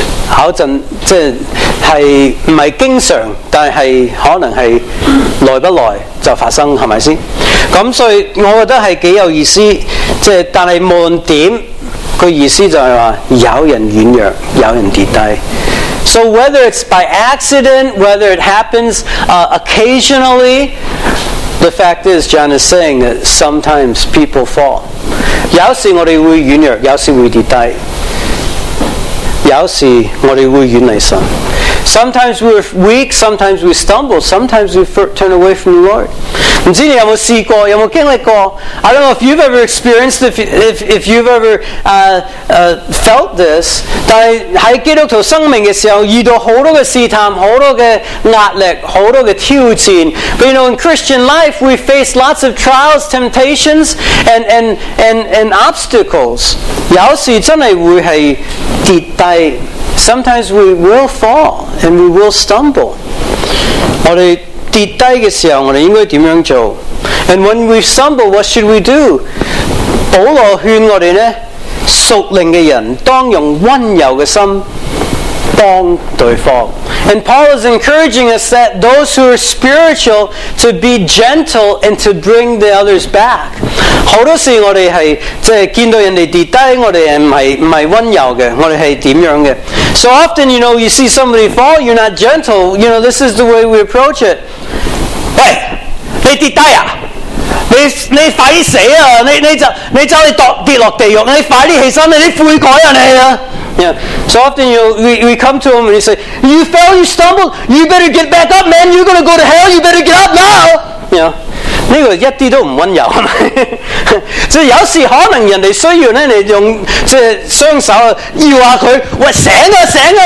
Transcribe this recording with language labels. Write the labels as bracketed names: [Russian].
[Cantonese] 考陣即係唔係經常，但係可能係耐不耐就發生，係咪先？咁所以我覺得係幾有意思，即係但係無論點，個意思就係話有人軟弱，有人跌低。 [English] So whether it's by accident, whether it happens occasionally, the fact is John is saying that sometimes people fall. [Cantonese] 有時我哋會軟弱，有時會跌低。有时我们会远离神。 [English] Sometimes we're weak, sometimes we stumble, sometimes we turn away from the Lord. [Cantonese] 不知你有没有试过，有没有经历过？ [English] I don't know if you've ever experienced, if you've ever felt this, [Cantonese] 但是在基督徒生命的时候遇到很多的试探，很多的压力，很多的挑战。 [English] But you know, in Christian life, we face lots of trials, temptations, and obstacles. [Cantonese] 有时真的会是跌低。 [English] Sometimes we will fall and we will stumble. [Cantonese] 我们跌低的时候，我们应该怎样做？ [English] And when we stumble, what should we do? [Cantonese] 保罗劝我们呢，属灵的人当用温柔的心帮对方。 [English] And Paul is encouraging us that those who are spiritual to be gentle and to bring the others back. [Cantonese] 好多时我们是即是见到人家跌低，我们不是温柔的，我们是怎样的？ [English] So often, you know, you see somebody fall, you're not gentle. You know, this is the way we approach it. [Cantonese] 喂，你跌低啊？你快点死啊！你就跌落地狱，你快点起身，你悔改啊你啊！ [English] Yeah. So often you know, we come to him and he say, "You fell, you stumbled, you better get back up, man. You're gonna go to hell. You better get up now." [Cantonese] Yeah. 呢个一啲都唔温柔，即系有时可能人哋需要咧，你用即系双手摇下佢，喂醒啊醒啊！